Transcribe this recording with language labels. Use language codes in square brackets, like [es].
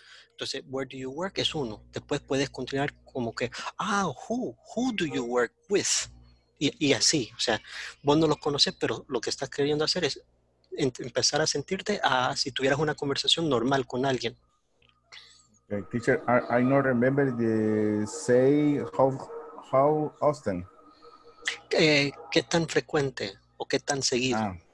[es] Entonces, [en] where do you work [es] es uno. Después puedes continuar como que, [en] who do you work with? [es] Y así, o sea, vos no los conoces, pero lo que estás queriendo hacer es empezar a sentirte a si tuvieras una conversación normal con alguien. [en] Okay, teacher, I don't remember the say how often. [es] ¿Qué tan frecuente o qué tan seguido?